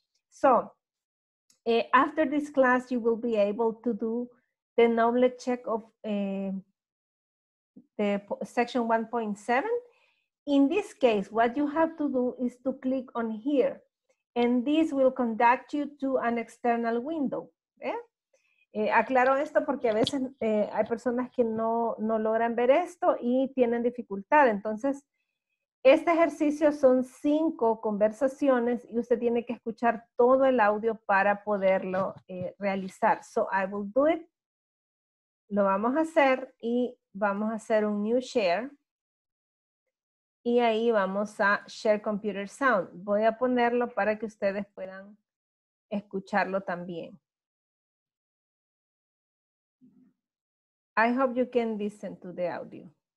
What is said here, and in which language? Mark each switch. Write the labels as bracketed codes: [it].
[en] So after this class, you will be able to do the knowledge check of the section 1.7. In this case, what you have to do is to click on here. And this will conduct you to an external window. ¿Eh? [es] Aclaro esto porque a veces hay personas que no logran ver esto y tienen dificultad. Entonces, este ejercicio son 5 conversaciones y usted tiene que escuchar todo el audio para poderlo realizar. [en] So I will do it. [es] Lo vamos a hacer y vamos a hacer un [en] new share. [es] Y ahí vamos a [en] share computer sound. [es] Voy a ponerlo para que ustedes puedan escucharlo también. [en] I hope you can listen to the audio.